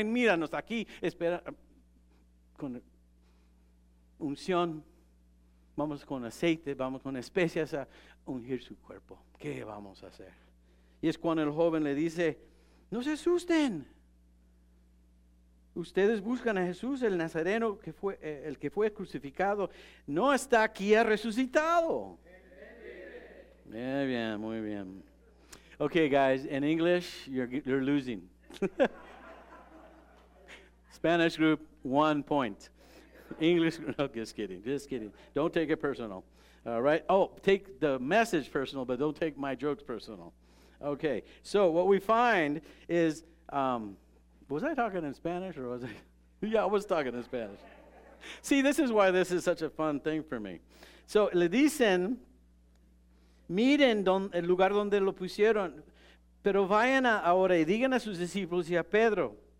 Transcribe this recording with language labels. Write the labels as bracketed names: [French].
[Spanish] Y míranos aquí con unción, vamos con aceite, vamos con especias a ungir su cuerpo. ¿Qué vamos a hacer? Y es cuando el joven le dice: no se asusten. Ustedes buscan a Jesús, el Nazareno, que fue el que fue crucificado. No está aquí, ha resucitado. Muy bien, muy bien. [English] Okay, guys, in English, you're losing. Spanish group, 1 point. English group, no, just kidding. Don't take it personal. All right. Oh, take the message personal, but don't take my jokes personal. Okay, so what we find is, was I talking in Spanish or was I? Yeah, I was talking in Spanish. See, this is why this is such a fun thing for me. [Spanish] So le dicen, miren el lugar donde lo pusieron, pero vayan ahora y digan a sus discípulos y a Pedro.